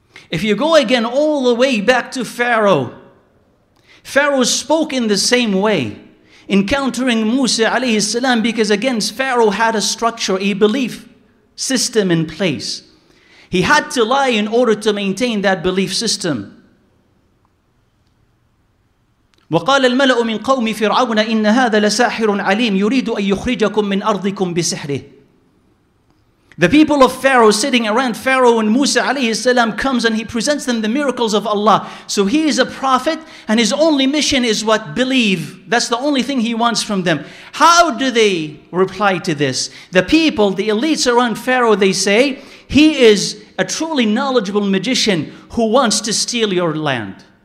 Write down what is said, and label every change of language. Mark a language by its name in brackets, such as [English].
[English] If you go again all the way back to Pharaoh, Pharaoh spoke in the same way, encountering Musa alayhi salam, because again, Pharaoh had a structure, a belief system in place. He had to lie in order to maintain that belief system. [Arabic] وقال الملأ من قوم فرعون إن هذا لساحر عليم يريد أن يخرجكم من أرضكم بسحره. [English] The people of Pharaoh sitting around Pharaoh, and Musa alayhi salam comes and he presents them the miracles of Allah. So he is a prophet and his only mission is what? Believe. That's the only thing he wants from them. How do they reply to this? The people, the elites around Pharaoh, they say, he is a truly knowledgeable magician who wants to steal your land.